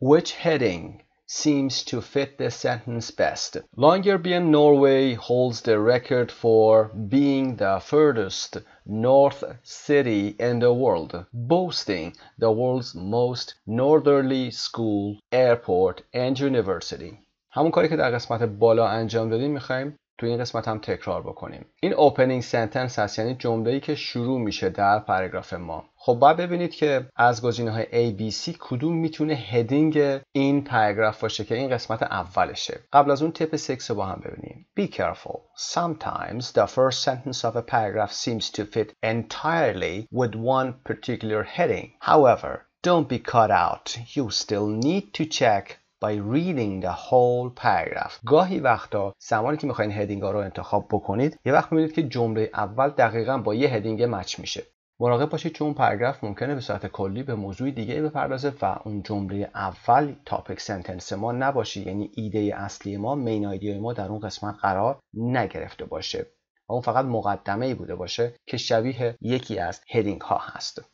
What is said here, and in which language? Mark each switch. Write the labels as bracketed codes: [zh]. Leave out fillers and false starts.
[en] Which heading seems to fit the sentence best? Longyearbyen, Norway holds the record for being the furthest north city in the world, boasting the world's most northerly school, airport and university. [fa] همون کاری که در قسمت بالا انجام دادیم میخواییم توی این قسمت هم تکرار بکنیم. این opening sentence هست، یعنی جمله‌ای که شروع میشه در پاراگراف ما. خب بعد ببینید که از گزینه‌های A B C کدوم میتونه هدینگ این پاراگراف باشه که این قسمت اولشه. قبل از اون تیپ 6 رو با هم ببینیم. [en] Be careful. Sometimes the first sentence of a paragraph seems to fit entirely with one particular heading. However, don't be caught out. You still need to check by reading the whole paragraph. [fa] گاهی وقتا زمانی که میخواین هدینگ ها رو انتخاب بکنید یه وقت میبینید که جمله اول دقیقا با یه هدینگ مچ میشه. مراقب باشید چون پاراگراف ممکنه به صورت کلی به موضوع دیگه بپردازه و اون جمله اول تاپیک سنتنس ما نباشه، یعنی ایده اصلی ما، مین آیدیای ما در اون قسمت قرار نگرفته باشه و اون فقط مقدمه ای بوده باشه که شبیه یکی از هدینگ ها هست.